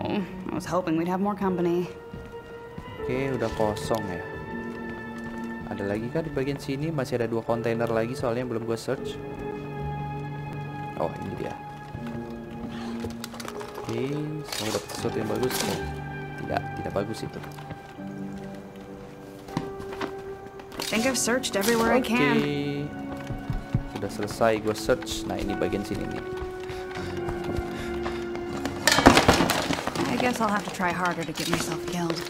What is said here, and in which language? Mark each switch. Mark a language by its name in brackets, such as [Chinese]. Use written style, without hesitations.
[English] No, I was hoping we'd have more company. [Indonesian] Oke, udah kosong ya. Ada lagi kan di bagian sini? Masih ada dua kontainer lagi soalnya yang belum gua search. Oh, ini dia. Oke, semoga dapet sesuatu yang bagus. Oh, tidak bagus itu. [English] Think I've searched everywhere I can. [Indonesian] Oke. Sudah selesai gua search. Nah, ini bagian sini nih. [English] I guess I'll have to try harder to get myself killed.